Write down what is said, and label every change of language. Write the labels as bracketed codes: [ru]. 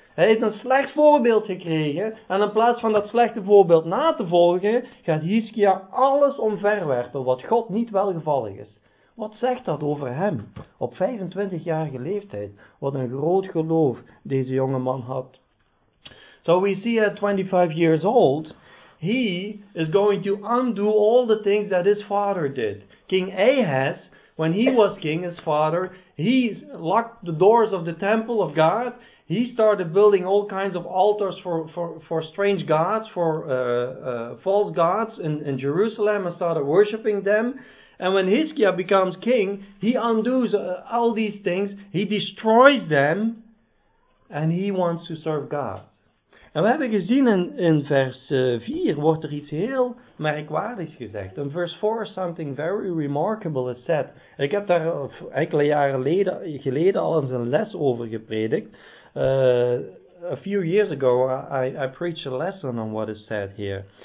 [nl] Hij heeft een slecht voorbeeld gekregen. En in plaats van dat slechte voorbeeld na te volgen, gaat Hiskia alles omverwerpen wat God niet welgevallig is. Wat zegt dat over hem? Op 25-jarige leeftijd, wat een groot geloof deze jonge man had. [en] So we see at 25 years old, he is going to undo all the things that his father did. King Ahaz, when he was king, his father, he locked the doors of the temple of God. He started building all kinds of altars for strange gods, for false gods in Jerusalem and started worshiping them. And when Hiskia becomes king, he undoes all these things. He destroys them and he wants to serve God. [nl] En we hebben gezien in vers 4 wordt er iets heel merkwaardigs gezegd. In vers 4 [en] something very remarkable is said. [nl] Ik heb daar enkele jaren geleden al eens een les over gepredikt. [en] A few years ago I preached a lesson on what is said here.